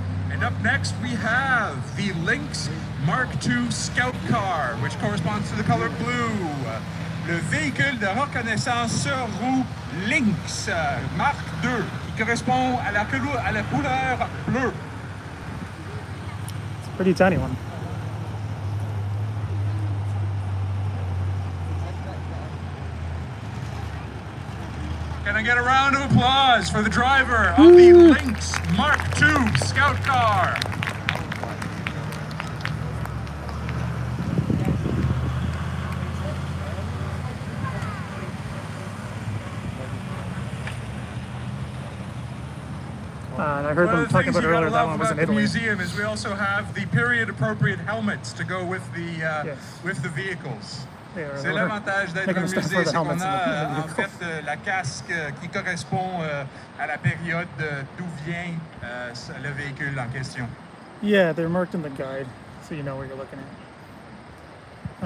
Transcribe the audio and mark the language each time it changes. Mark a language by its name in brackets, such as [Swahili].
[English] And up next we have the Lynx Mark II Scout Car, which corresponds to the color blue. [French] Le véhicule de reconnaissance sur roue Lynx, Mark II, qui correspond à la couleur bleue. [English] It's a pretty tiny one. Can I get a round of applause for the driver of the Lynx Mark II Scout Car? I heard them talking about earlier that one was in Italy. The museum is we also have the period appropriate helmets to go with the with the vehicles. [French] C'est l'avantage d'être un musée, c'est qu'on a en fait la casque qui correspond à la période d'où vient le véhicule en question. [English] Yeah, they're marked in the guide, so you know where you're looking at.